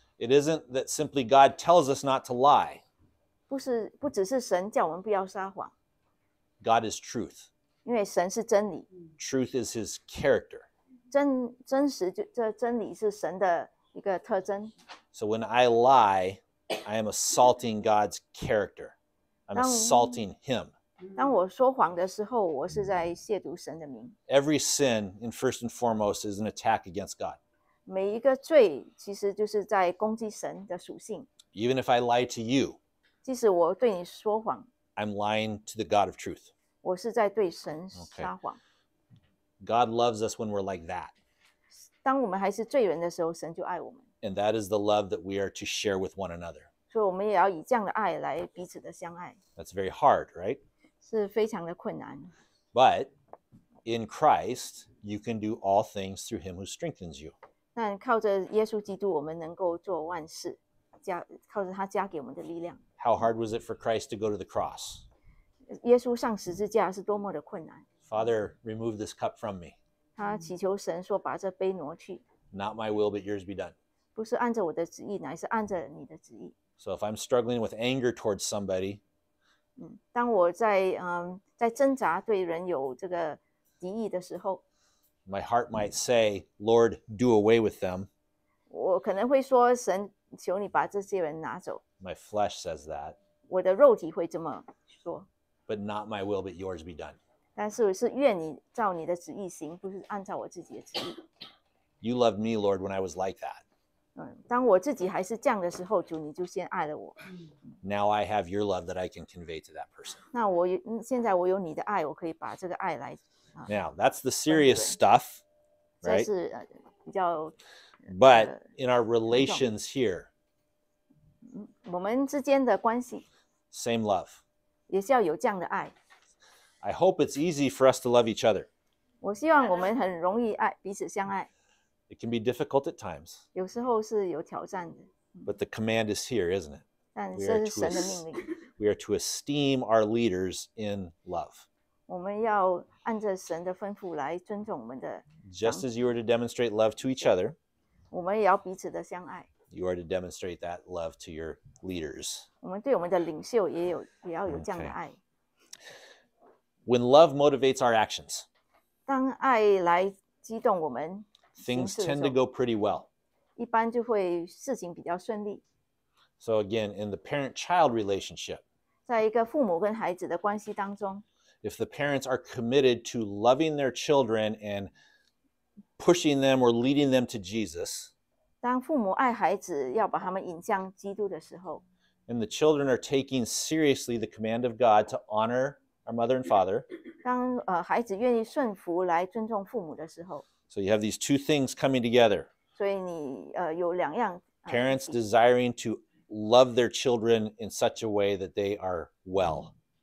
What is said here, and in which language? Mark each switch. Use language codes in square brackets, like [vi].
[en] It isn't that simply God tells us not to lie. [zh] 不只是神叫我们不要撒谎。 [en] God is truth. [zh] 因为神是真理。 [en] Truth is his character. [zh] 真理是神的一个特征。 [en] So when I lie, I am assaulting God's character. I'm assaulting him. [zh] 当我说谎的时候，我是在亵渎神的名。 [en] Every sin, in first and foremost, is an attack against God. [zh] 每一个罪其实就是在攻击神的属性。 [en] Even if I lie to you, [zh] 即使我对你说谎， [en] I'm lying to the God of truth. [zh] 我是在对神撒谎。 [en] God loves us when we're like that. [zh] 当我们还是罪人的时候，神就爱我们。 [en] And that is the love that we are to share with one another. [zh] 所以我们也要以这样的爱来彼此的相爱。 [en] That's very hard, right? [zh] 是非常的困难。 [en] But in Christ, you can do all things through him who strengthens you. [zh] 但靠着耶稣基督，我们能够做万事，靠着他加给我们的力量。 [en] How hard was it for Christ to go to the cross? [zh] 耶稣上十字架是多么的困难。 [en] Father, remove this cup from me. [zh] 他祈求神说：“把这杯挪去。” [en] Not my will, but yours be done. [zh] 不是按着我的旨意，乃是按着你的旨意。 [en] So if I'm struggling with anger towards somebody, [zh] 当我在在挣扎对人有这个敌意的时候。 [en] My heart might say, Lord, do away with them. [zh] 我可能会说，神，求你把这些人拿走。 [en] My flesh says that. [zh] 我的肉体会这么说。 [en] But not my will, but yours be done. [zh] 但是是愿你照你的旨意行，不是按照我自己的旨意。 [en] You loved me, Lord, when I was like that. [zh] 当我自己还是这样的时候，主，你就先爱了我。 [en] Now I have your love that I can convey to that person. [zh] 那我现在我有你的爱，我可以把这个爱来。 [en] Now, that's the serious stuff, right? [zh] 这是比较, [en] but in our relations here, [zh] 我们之间的关系, [en] same love. [zh] 也是要有这样的爱。 [en] I hope it's easy for us to love each other. [zh] 我希望我们很容易爱, 彼此相爱。 [en] It can be difficult at times. [zh] 有时候是有挑战的。 [en] But the command is here, isn't it? [zh] 但这是神的命令。 [en] We are to esteem our leaders in love. [zh] 我们要按着神的吩咐来尊重我们的。 [en] Just as you are to demonstrate love to each other, [zh] 我们也要彼此的相爱。 [en] You are to demonstrate that love to your leaders. [zh] 我们对我们的领袖也要有这样的爱。 [en] Okay. When love motivates our actions, [zh] 当爱来激动我们， [en] things tend to go pretty well. [zh] 一般就会事情比较顺利。 [en] So again, in the parent-child relationship, [zh] 在一个父母跟孩子的关系当中。 [en] If the parents are committed to loving their children and pushing them or leading them to Jesus, [zh] 当父母爱孩子，要把他们引向基督的时候， [en] and the children are taking seriously the command of God to honor our mother and father, [zh] 当孩子愿意顺服来尊重父母的时候， [en] so you have these two things coming together. [zh] 所以你有两样。 [en] Parents desiring to love their children in such a way that they are well.